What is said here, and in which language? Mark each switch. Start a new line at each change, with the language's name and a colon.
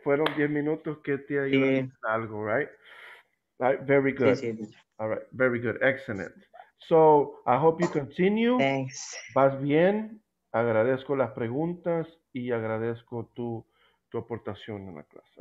Spanish: Fueron 10 minutos que te ayudan en algo, right?
English: Right, very good.
Spanish: Sí, sí.
English: All right, very good. Excellent. So, I hope you continue. Thanks.
Spanish: Vas bien. agradezco las preguntas y agradezco tu aportación en la clase.